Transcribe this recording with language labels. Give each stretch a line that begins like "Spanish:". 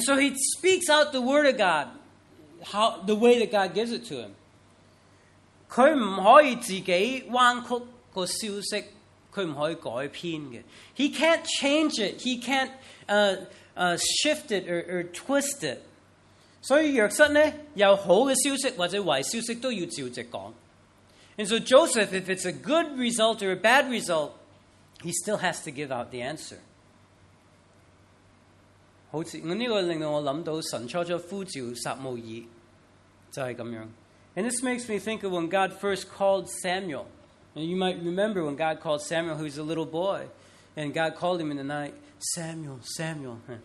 English: so he speaks out the word of God, how the way that God gives it to him.
Cantonese: 佢唔可以自己弯曲个消息，佢唔可以改编嘅。
English: He can't change it. He can't shift it or twist it.
Cantonese: 所以约瑟呢，有好嘅消息或者坏消息都要照直讲。
English: And so Joseph, if it's a good result or a bad result, he still has to give out the answer.
Cantonese: 好似我呢个令到我谂到神初初呼召撒母耳，就系咁样。
English: And this makes me think of when God first called Samuel. And you might remember when God called Samuel, who was a little boy, and God called him in the night, Samuel, Samuel.